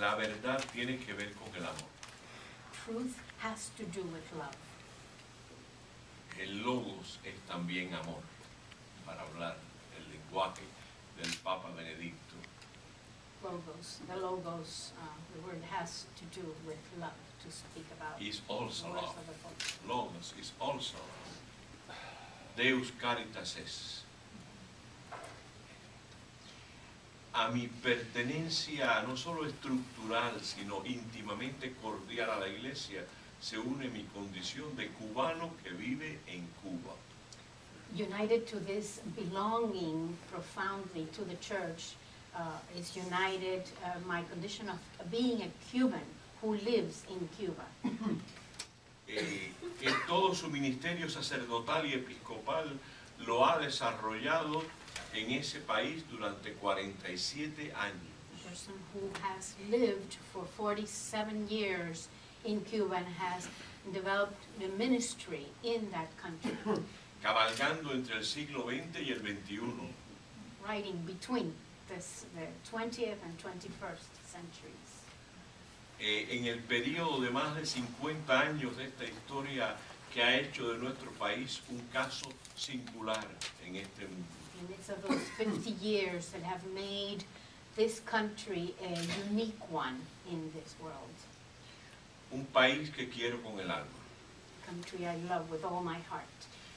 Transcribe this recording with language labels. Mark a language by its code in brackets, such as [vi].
[es] La verdad tiene que ver con el amor. [en] Truth has to do with love. [es] El logos es también amor, para hablar el lenguaje del Papa Benedicto. [en] Logos, the logos, the word has to do with love, to speak about. Is also love. Logos is also love. [la] Deus caritas es. [es] A mi pertenencia no solo estructural, sino íntimamente cordial a la Iglesia, se une mi condición de cubano que vive en Cuba. [en] United to this belonging profoundly to the church is united my condition of being a Cuban who lives in Cuba. [es] Que todo su ministerio sacerdotal y episcopal lo ha desarrollado en ese país durante 47 años. [en] A person who has lived for 47 years in Cuba and has developed the ministry in that country. [es] Cabalgando entre el siglo XX y el XXI. [en] Riding between the 20th and 21st centuries. [es] En el periodo de más de 50 años de esta historia que ha hecho de nuestro país un caso singular en este mundo. [en] In its of those 50 years that have made this country a unique one in this world. [es] Un país que quiero con el alma. [en] A country I love with all my heart.